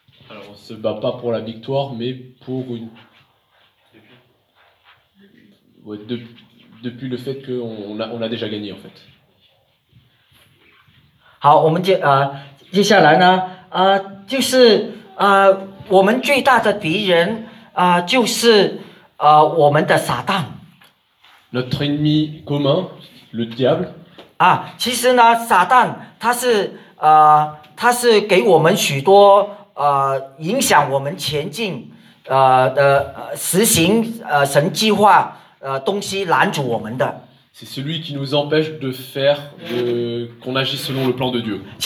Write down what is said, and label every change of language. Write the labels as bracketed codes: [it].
[fr] Alors, on se bat pas pour la victoire, mais pour une. Ouais, de, depuis le fait qu'on a, on a déjà gagné en fait. [zh] 好，我们接呃，接下来呢，呃，就是呃，我们最大的敌人啊、呃，就是呃，我们的撒旦。 [fr] Notre ennemi commun, le diable. [zh] 啊，其实呢，撒旦他是呃，他是给我们许多呃，影响我们前进呃的实行呃神计划呃东西拦阻我们的。 [fr] C'est celui qui nous empêche de faire de... qu'on agisse selon le plan de Dieu.